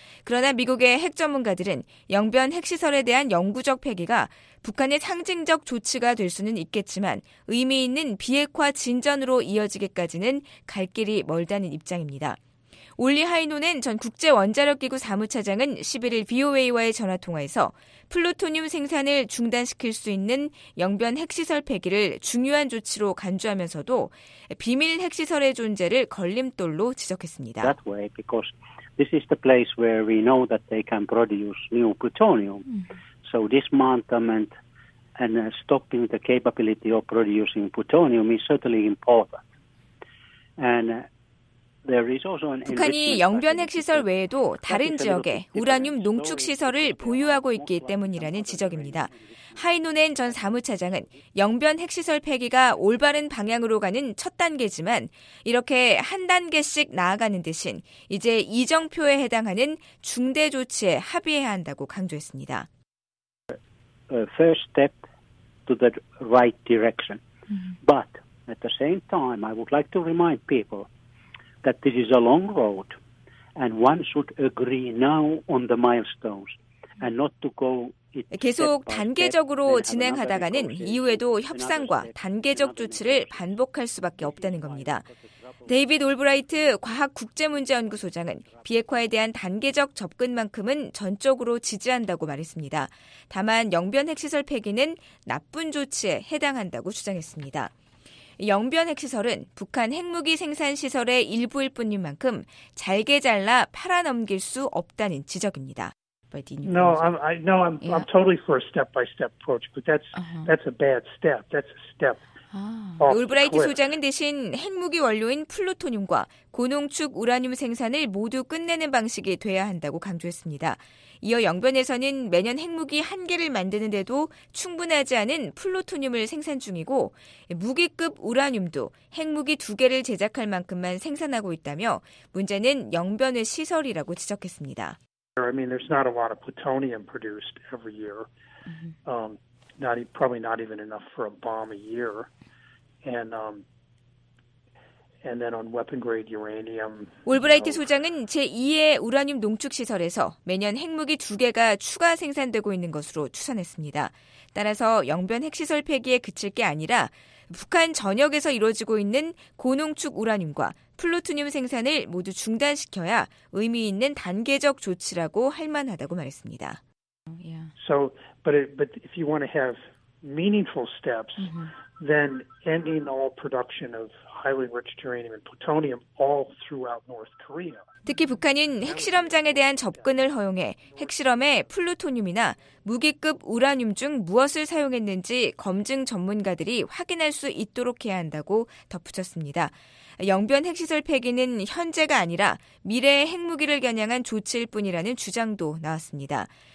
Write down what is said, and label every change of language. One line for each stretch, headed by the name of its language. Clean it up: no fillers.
Korean: 그러나 미국의 핵 전문가들은 영변 핵시설에 대한 영구적 폐기가 북한의 상징적 조치가 될 수는 있겠지만 의미 있는 비핵화 진전으로 이어지기까지는 갈 길이 멀다는 입장입니다. 올리 하이노넨 전 국제원자력기구 사무차장은 11일 VOA와의 전화통화에서 플루토늄 생산을 중단시킬 수 있는 영변 핵시설 폐기를 중요한 조치로 간주하면서도 비밀 핵시설의 존재를 걸림돌로 지적했습니다.
English: That way, because this is the place where we know that they can produce new plutonium. So dismantlement and stopping the capability of producing plutonium is certainly important. And
Korean: 북한이 영변 핵시설 외에도 다른 지역에 우라늄 농축시설을 보유하고 있기 때문이라는 지적입니다. 하이노넨 전 사무차장은 영변 핵시설 폐기가 올바른 방향으로 가는 첫 단계지만 이렇게 한 단계씩 나아가는 대신 이제 이정표에 해당하는 중대 조치에 합의해야 한다고 강조했습니다.
English: First step to the right direction. But at the same time, I would like to remind people that this is a long road and one should agree now on the milestones and not to go
Korean: 계속 단계적으로 진행하다가는 이후에도 협상과 단계적 조치를 반복할 수밖에 없다는 겁니다. 데이비드 올브라이트 과학국제문제연구소장은 비핵화에 대한 단계적 접근만큼은 전적으로 지지한다고 말했습니다. 다만 영변 핵시설 폐기는 나쁜 조치에 해당한다고 주장했습니다. 영변 핵시설은 북한 핵무기 생산 시설의 일부일 뿐인 만큼 잘게 잘라 팔아넘길 수 없다는 지적입니다.
English: No, I'm totally for a step-by-step approach, but that's a bad step. That's a step.
Korean: 올브라이트 소장은 대신 핵무기 원료인 플루토늄과 고농축 우라늄 생산을 모두 끝내는 방식이 돼야 한다고 강조했습니다. 이어 영변에서는 매년 핵무기 한 개를 만드는데도 충분하지 않은 플루토늄을 생산 중이고 무기급 우라늄도 핵무기 두 개를 제작할 만큼만 생산하고 있다며 문제는 영변의 시설이라고 지적했습니다.
English: I mean, there's not a lot of plutonium produced every year. Probably not even enough for a bomb a year. And then on weapon-grade uranium.
Korean: 올브라이트 소장은 제2의 우라늄 농축시설에서 매년 핵무기 2개가 추가 생산되고 있는 것으로 추산했습니다. 따라서 영변 핵시설 폐기에 그칠 게 아니라 북한 전역에서 이루어지고 있는 고농축 우라늄과 플루토늄 생산을 모두 중단시켜야 의미 있는 단계적 조치라고 할 만하다고 말했습니다.
English: So, but if you want to have meaningful steps than ending all production of highly enriched uranium and plutonium all throughout North Korea.
Korean: 특히 북한은 핵실험장에 대한 접근을 허용해 핵실험에 플루토늄이나 무기급 우라늄 중 무엇을 사용했는지 검증 전문가들이 확인할 수 있도록 해야 한다고 덧붙였습니다. 영변 핵시설 폐기는 현재가 아니라 미래의 핵무기를 겨냥한 조치일 뿐이라는 주장도 나왔습니다.